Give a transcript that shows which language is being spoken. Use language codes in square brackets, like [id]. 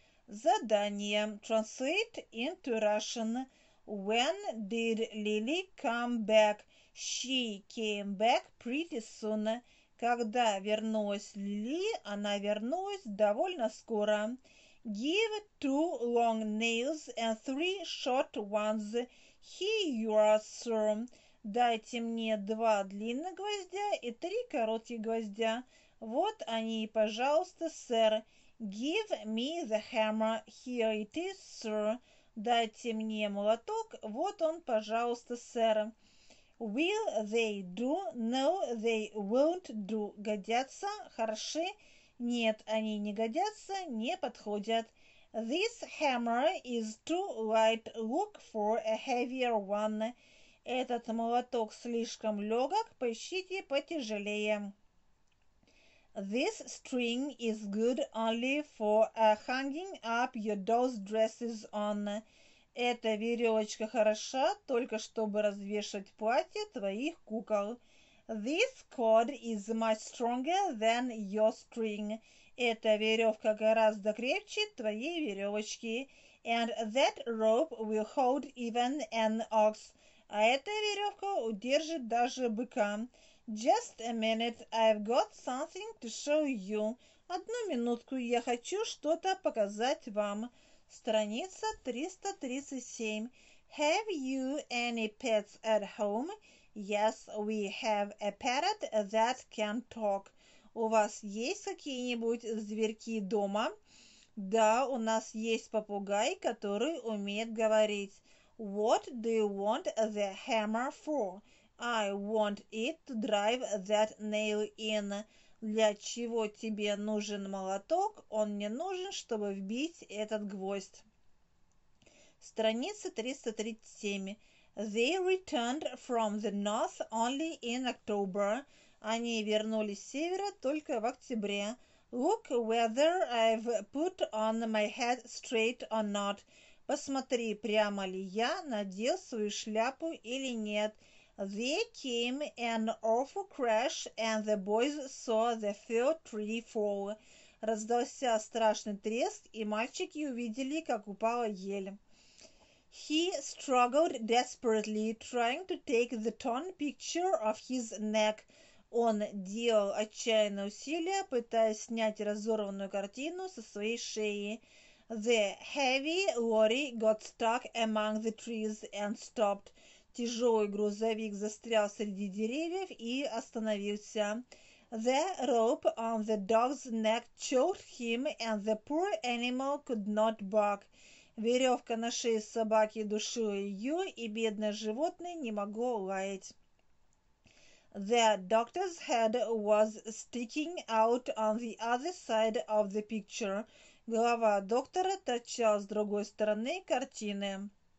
[ru] Задание. [en] Translate into Russian. When did Lily come back? She came back pretty soon. [ru] Когда вернулась Лили, она вернулась довольно скоро. [en] Give two long nails and three short ones. Here you are, sir. [ru] Дайте мне два длинных гвоздя и три коротких гвоздя. Вот они, пожалуйста, сэр. [en] Give me the hammer. Here it is, sir. [ru] Дайте мне молоток. Вот он, пожалуйста, сэр. [en] Will they do? No, they won't do. [ru] Годятся? Хороши? Нет, они не годятся, не подходят. [en] This hammer is too light. Look for a heavier one. [ru] Этот молоток слишком легок, поищите потяжелее. [en] This string is good only for hanging up your doll's dresses on. [ru] Эта веревочка хороша только чтобы развешивать платье твоих кукол. [en] This cord is much stronger than your string. [ru] Эта веревка гораздо крепче твоей веревочки. [en] And that rope will hold even an ox. [ru] А эта веревка удержит даже быка. [en] Just a minute, I've got something to show you. [ru] Одну минутку, я хочу что-то показать вам. Страница 337. [en] Have you any pets at home? Yes, we have a parrot that can talk. [ru] У вас есть какие-нибудь зверьки дома? Да, у нас есть попугай, который умеет говорить. [en] What do you want the hammer for? I want it to drive that nail in. [ru] Для чего тебе нужен молоток? Он мне нужен, чтобы вбить этот гвоздь. Страница 337. [en] They returned from the north only in October. [ru] Они вернулись с севера только в октябре. [en] Look whether I've put on my hat straight or not. [ru] Посмотри, прямо ли я надел свою шляпу или нет. [en] There came an awful crash, and the boys saw the fir tree fall. [ru] Раздался страшный треск, и мальчики увидели, как упала ель. [en] He struggled desperately, trying to take the torn picture of his neck. [ru] Он делал отчаянные усилия, пытаясь снять разорванную картину со своей шеи. [en] The heavy lorry got stuck among the trees and stopped. [ru] Тяжелый грузовик застрял среди деревьев и остановился. [en] The rope on the dog's neck choked him, and the poor animal could not bark. [ru] Веревка на шее собаки душила ее, и бедное животное не могло лаять. [en] The doctor's head was sticking out on the other side of the picture. [ru] Голова доктора торчала с другой стороны картины.